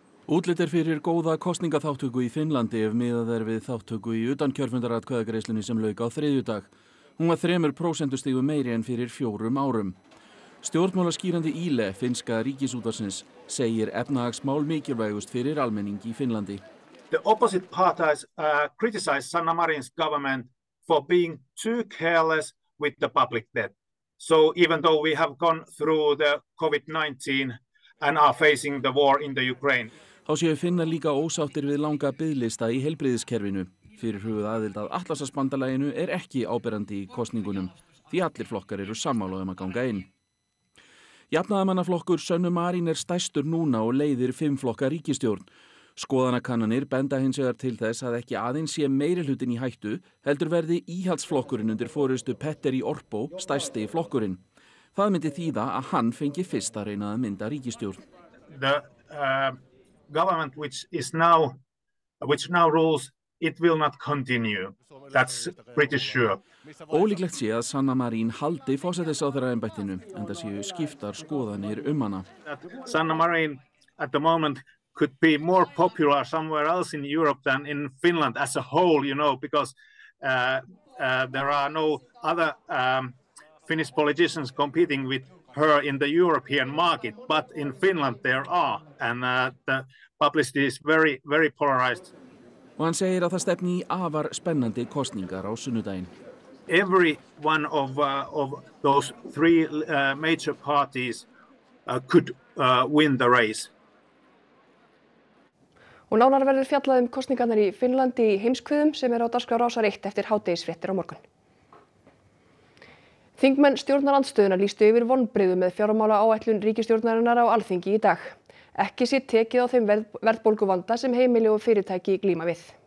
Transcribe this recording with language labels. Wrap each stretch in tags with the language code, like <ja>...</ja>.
<is>Útlit er fyrir góða kosningaþáttöku í Finnlandi ef miðað er við þáttöku í utankjörfundaratkvæðagreiðslunni sem lauk á þriðjudag. Hún var 3% meiri en fyrir 4 árum. Stjórnmálaskýrandi Íle, finnska ríkisútvarpsins, segir efnahagsmál mikilvægust fyrir almenning í Finnlandi.</is> <en>The opposite party criticized Sanna Marin's government for being too careless with the public debt. So even though we have gone through the COVID-19 and are facing the war in the Ukraine.</en> <is>Þá séu finna líka ósáttir við langa biðlista í heilbrigðiskerfinu. Fyrir hugað aðild að Atlasarsbandalaginu ekki áberandi í kosningunum. Því allir flokkar eru sammála að ganga inn. Jafnaðarmannaflokkur Sönnu Marín er stærstur núna og leiðir 5 flokka ríkisstjórn. Skoðanakannanir benda hins vegar til þess að ekki aðeins sé meiri hlutin í hættu, heldur verði íhaldsflokkurinn undir forystu Petteri Orpo stærsti í flokkurinn. Það myndi þýða að hann fengi fyrst að reyna að mynda ríkisstjórn.</is> <en>The government which now rules, it will not continue. That's pretty sure.</en> <is>Ólíklegt sé að Sanna Marín haldi forsætisráðherra embættinu, enda séu skiptar skoðanir hana.</is> <en>Sanna Marín at the moment could be more popular somewhere else in Europe than in Finland as a whole, you know, because there are no other Finnish politicians competing with her in the European market, but in Finland there are, and the publicity is very, very polarized.</en> <is>Og hann segir að það stefni í afar spennandi kosningar á sunnudaginn.</is> <en>Every one of those three major parties could win the race.</en> <is>Og nánar verður fjallað kosningarnar í Finnlandi í heimskviðum sem á dagskrá Rásar 1 eftir hádegisfréttir á morgun. Þingmenn stjórnarandstöðuna lýstu yfir vonbrigðum með fjármála áætlun ríkisstjórnarinnar á Alþingi í dag. Ekki sé tekið á þeim verðbólguvanda sem heimili og fyrirtæki glíma við.</is>